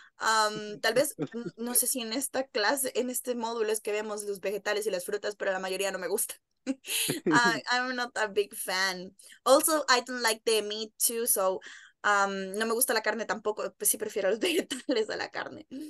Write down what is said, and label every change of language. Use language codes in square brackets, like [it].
[es] Tal vez, no sé si en esta clase, en este módulo es que vemos los vegetales y las frutas, pero la mayoría no me gusta. [en] I'm not a big fan. Also, I don't like the meat too, so [es] No me gusta la carne tampoco, pues sí prefiero los vegetales a la carne.